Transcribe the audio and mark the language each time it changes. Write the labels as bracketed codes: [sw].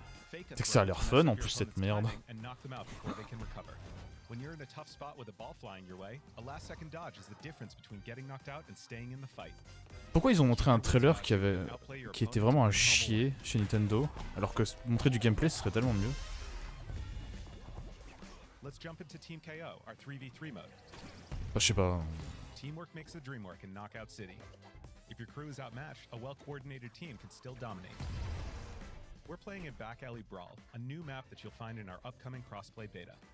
[fr] C'est que ça a l'air fun en plus cette merde. [en] And knock them out before they can recover. When you're in a tough spot with a ball flying your way, a last second dodge is the difference between getting knocked out and staying in the fight. [fr] Pourquoi ils ont montré un trailer qui était vraiment un chier chez Nintendo, alors que montrer du gameplay serait tellement mieux. [en] Let's jump into Team KO, our 3v3 mode. [fr] Bah, je sais pas. [en] Teamwork makes the dream work in Knockout City. If your crew is outmatched, a well-coordinated team can still dominate. We're playing in Back Alley Brawl, a new map that you'll find in our upcoming crossplay beta.